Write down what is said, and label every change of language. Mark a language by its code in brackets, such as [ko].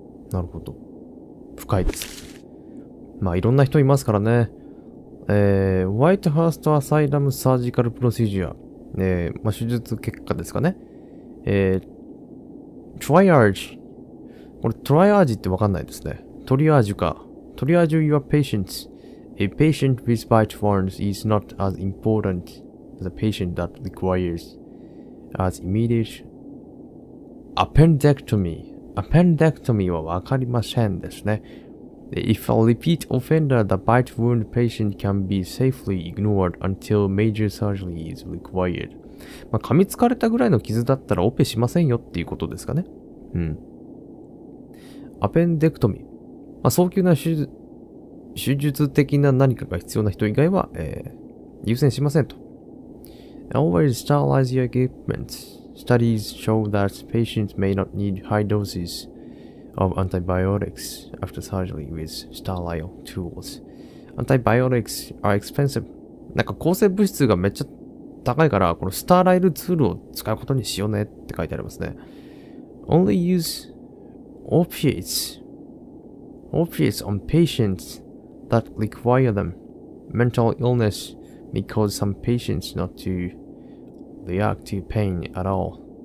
[ja] なるほど、深いです。まあいろんな人いますからね。ホワイトハーストアサイラムサージカルプロシジュア、まあ手術結果ですかね。トリアージ、これトリアージってわかんないですね。トリアージュか。トリアージュ [en] your patients。 A patient with bite wounds is not as important as a patient that requires as immediate appendectomy。 Appendectomy はわかりませんですね。 If a repeat offender, the bite wound patient can be safely ignored until major surgery is required。 [ja] まあ、噛みつかれたぐらいの傷だったらオペしませんよっていうことですかね。うん。Appendectomy。まあ、早急な手術的な何かが必要な人以外は、優先しませんと。 [en] Always sterilize your equipment. Studies show that patients may not need high doses of antibiotics after surgery with sterile tools. Antibiotics are expensive. [ja] なんか抗生物質がめっちゃ高いから、このスターライルツールを使うことにしようねって書いてありますね。 [en] Only use opiates on patients. That require them. Mental illness may cause some patients not to react to pain at all.